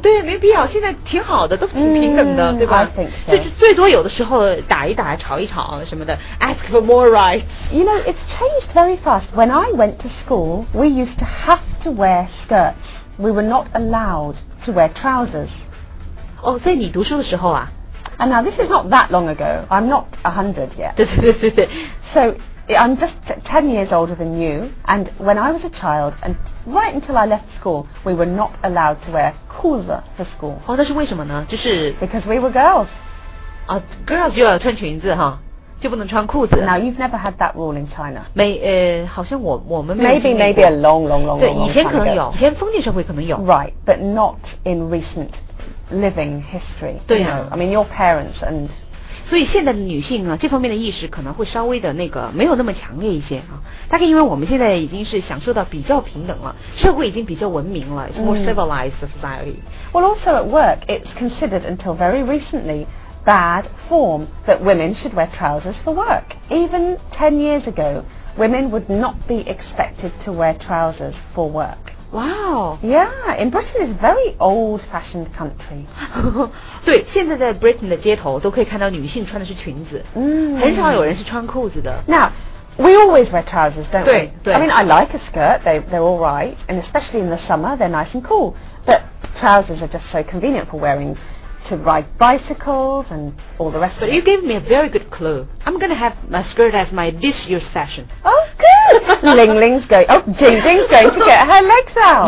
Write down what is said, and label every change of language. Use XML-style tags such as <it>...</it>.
<zh>对，没必要，现在挺好的，都挺平等的，对吧？</zh> <en>I think so.</en> <zh>最多有的时候打一打，吵一吵什么的，</zh> <en>ask for more rights. You know, it's changed very fast. When I went to school, we used to have to wear skirts. We were not allowed to wear trousers.</en> <zh>Oh, 在你读书的时候啊。</zh> <en>And now this is not that long ago. I'm not 100 yet.</en> <zh>对对对对对。</zh> <en>So I'm just 10 years older than you. And when I was a child, and right until I left school, we were not allowed to wear kurta for school.</en> <zh>哦，那是为什么呢？就是</zh> <en>because we were girls.</en> <zh>啊 ，girls 就要穿裙子哈。就不能穿裤子。</zh> <en>Now you've never had that rule in China.</en> <zh>没，好像我们没经历过。</zh> <en>Maybe a long time ago.</en> <zh>对，以前可能有，以前封建社会可能有。</zh> <en>Right, but not in recent living history.</en> <zh>对呀、啊</zh> <en>I mean your parents and.</en> <zh>所以现在的女性呢，这方面的意识可能会稍微的那个没有那么强烈一些啊。大概因为我们现在已经是享受到比较平等了，社会已经比较文明了、</zh> <en>It's、，more civilized society.、 Mm. Well, also at work, it's considered until very recently. Bad form that women should wear trousers for work. Even 10 years ago, women would not be expected to wear trousers for work. Wow. Yeah, in Britain is a very old-fashioned country.</en> <zh>对，现在在 Britain 的街头都可以看到女性穿的是裙子，很少有人是穿裤子的。</zh> <en>Now, we always wear trousers, don't</en> <zh>对,</zh> <en>we?</en> <zh>对</zh> <en>I mean, I like a skirt, they're all right, and especially in the summer, they're nice and cool. But trousers are just so convenient for wearing... to ride bicycles and all the rest of it. But you gave me a very good clue. I'm going to have my skirt as my this year's fashion. Oh, good! Ling Ling's going... Oh, Jing Jing's going to get her legs out.</en>